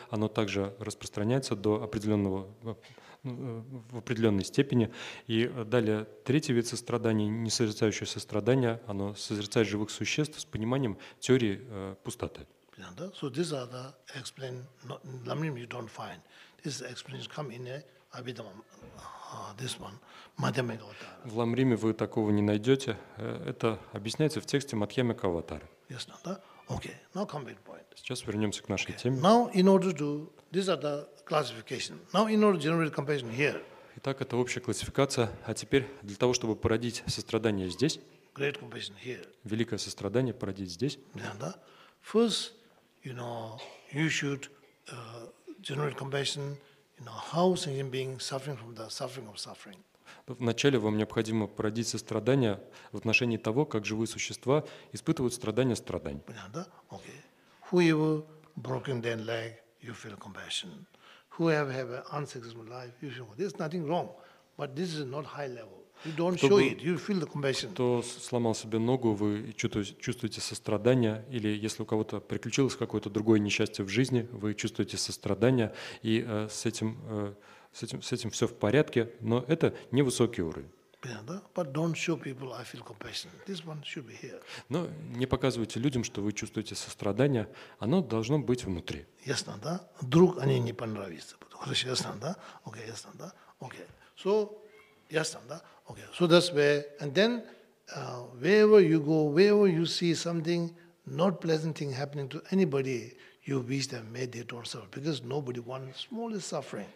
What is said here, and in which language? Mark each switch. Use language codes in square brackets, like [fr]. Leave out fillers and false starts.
[ru] Оно также распространяется до определенного, в определенной степени. И далее, третий вид сострадания – несозерцающее сострадание. Оно созерцает живых существ с пониманием теории пустоты. [en] So these are the explain, lamrim you don't find. This explanation come in Abhidhamma, this one, Madhyamika Avatara. [ru] В Ламриме вы такого не найдете. Это объясняется в тексте Мадхьямика Аватара. [en] Yes, no, okay. Now come back point. [ru] Сейчас вернемся к нашей теме. [en] Now in order to do, these are the classification. Now in order to generate compassion here. [ru] Итак, это общая классификация. А теперь для того, чтобы породить сострадание здесь, [en] great compassion here. [ru] Великое сострадание породить здесь. [en] First, you know, you should generate compassion, you know, how sentient being suffering from the suffering of suffering. [ru] Вначале вам необходимо породить сострадание в отношении того, как живые существа испытывают страдания страданий. Понятно, да? Окей. [en] Whoever broken their leg, you feel compassion. Whoever have an unsuccessful life, you feel there's nothing wrong, but this is not high level. You don't show it, you feel the compassion. [ru] Кто сломал себе ногу, вы чувствуете сострадание, или если у кого-то приключилось какое-то другое несчастье в жизни, вы чувствуете сострадание, и с этим все в порядке, но это невысокий уровень. Но не показывайте людям, что вы чувствуете сострадание, оно должно быть внутри. Ясно, да? Вдруг они не понравятся. Хорошо, ясно, да? Окей, ясно, да? Окей. [en] So, [ru] ясно, да? Окей. [en] So that's where, and then, wherever you go, wherever you see something, not pleasant thing happening to anybody, you wish them may they don't suffer, because nobody wants smallest suffering.